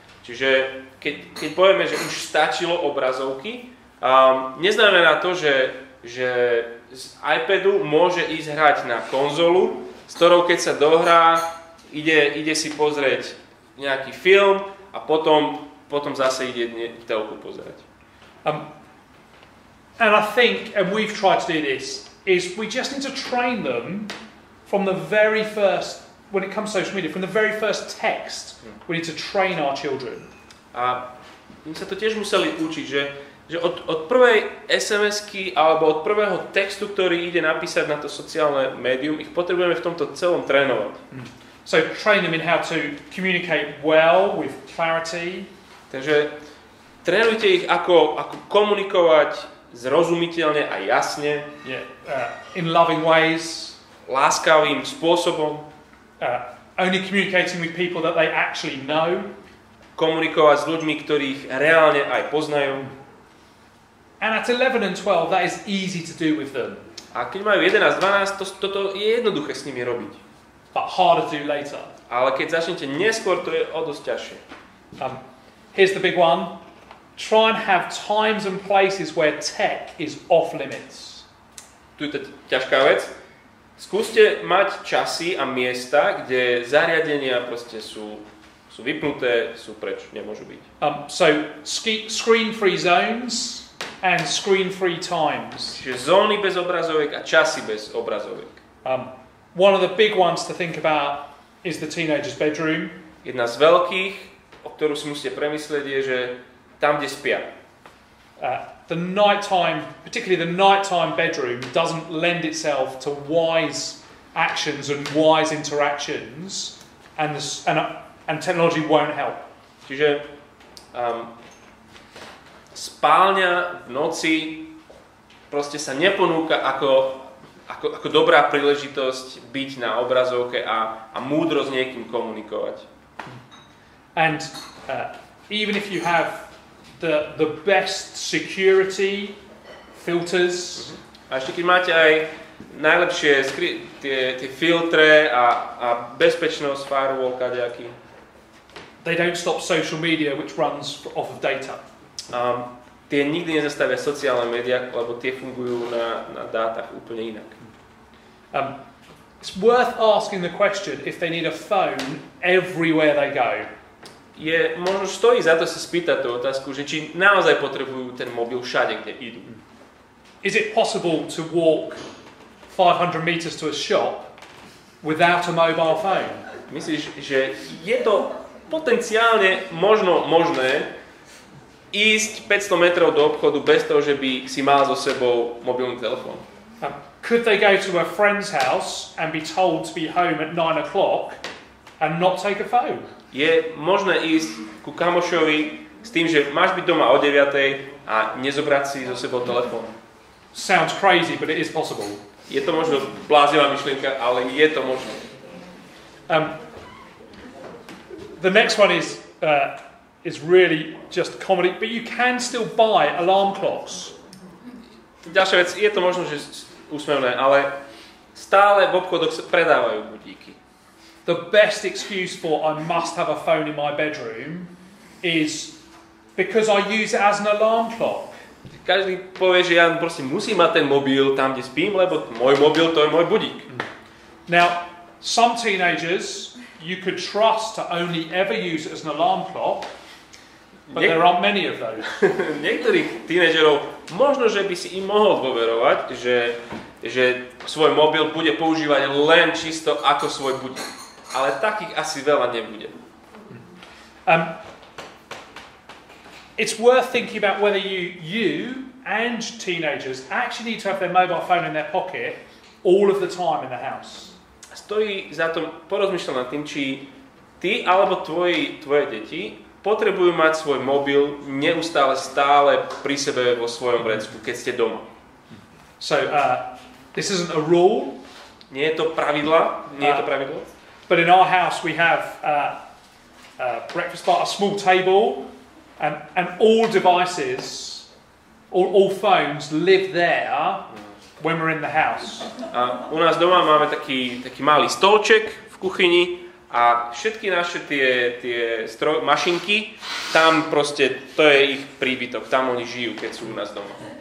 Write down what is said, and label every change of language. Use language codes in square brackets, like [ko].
[sk] Čiže keď povieme, že už stačilo obrazovky, neznamená to, že z iPadu môže ísť hrať na konzolu, s ktorou keď sa dohrá, ide si pozrieť nejaký film a potom zase ide telku pozerať. [en] And I think, and we've tried to do this, is we just need to train them from the very first, when it comes to social media, from the very first text, we need to train our children. [sk] A my sa to tiež museli učiť, že od prvej SMS-ky alebo od prvého textu, ktorý ide napísať na to sociálne médium, ich potrebujeme v tomto celom trénovať. [en] So train them in how to communicate well with clarity. [sk] Takže trénujte ich, ako komunikovať zrozumiteľne a jasne. [en] In loving ways. [sk] Láskavým spôsobom. [en] Only communicating with people that they actually know. [sk] Komunikovať s ľuďmi, ktorých reálne aj poznajú. [en] And at 11 and 12, that is easy to do with them. [sk] A keď majú 11 a 12, toto je jednoduché s nimi robiť. [en] But harder to do later. [sk] Ale keď začnete neskôr, to je o dosť ťažšie. [en] Here's the big one. Try and have times and places where tech is off limits. [sk] Tu je to ťažká vec. Skúste mať časy a miesta, kde zariadenia proste sú vypnuté, sú preč, nemôžu byť. [en] Screen-free zones and screen-free times. [sk] Čiže zóny bez obrazoviek a časy bez obrazoviek. [en] One of the big ones to think about is the teenager's bedroom. [sk] Jedna z veľkých, o ktorú si musíte premyslieť, je, že tam, kde spia. [en] The nighttime, particularly the nighttime bedroom, doesn't lend itself to wise actions and wise interactions, and technology won't help. [sk] Čiže spálňa v noci proste sa neponúka ako dobrá príležitosť byť na obrazovke a múdro s niekým komunikovať. [en] And even if you have the best security filters. [sk] A ešte keď máte aj najlepšie tie filtre a bezpečnosť firewall kadejaký. [en] They don't stop social media, which runs off of data. [sk] Tie nikdy nezastavia sociálne médiá, lebo tie fungujú na dátach úplne inak. [en] It's worth asking the question if they need a phone everywhere they go. [sk] Je, možno stojí za to sa spýtať tú otázku, že či naozaj potrebujú ten mobil všade, kde idú. [en] Is it possible to walk 500 meters to a shop without a mobile phone? [sk] Myslíš, že je to potenciálne možno možné ísť 500 metrov do obchodu bez toho, že by si mal so sebou mobilný telefón? [en] Could they go to a friend's house and be told to be home at 9 o'clock and not take a phone? [sk] Je možné ísť ku kamošovi s tým, že máš byť doma o 9 a nezobrať si so sebou telefón? [en] Sounds crazy, but it is possible. [sk] Je to možno bláznivá myšlienka, ale je to možné. [en] The next one is really just comedy, but you can still buy alarm clocks. [sk] Ďalšia vec, je to možno, že úsmevné, ale stále v obchodoch sa predávajú budíky. [en] The best excuse for I must have a phone in my bedroom is because I use it as an alarm clock. [sk] Každý povie, že ja proste musím mať ten mobil tam, kde spím, lebo môj mobil, to je môj budík. [en] Now, some teenagers you could trust to only ever use it as an alarm clock, but there aren't many of those. [sk] Niektorých tínedžerov možno, že by si im mohol dôverovať, že svoj mobil bude používať len čisto ako svoj budík. Ale takých asi veľa nebude. [en] It's worth thinking about whether you and teenagers actually need to have their mobile phone in their pocket all of the time in the house. [sk] Stojí za to porozmýšľať nad tým, či ty alebo tvoje deti potrebujú mať svoj mobil neustále stále pri sebe vo svojom vrecku, keď ste doma. [en] So, this isn't a rule. [sk] Nie je to pravidlo. Nie je to pravidlo. [en] But in our house we have a breakfast bar, a small table, and all devices, all phones live there when we're in the house. [sk] U nás doma máme taký malý stolček v kuchyni a všetky naše tie mašinky, tam proste to je ich príbytok, tam oni žijú, keď sú u nás doma.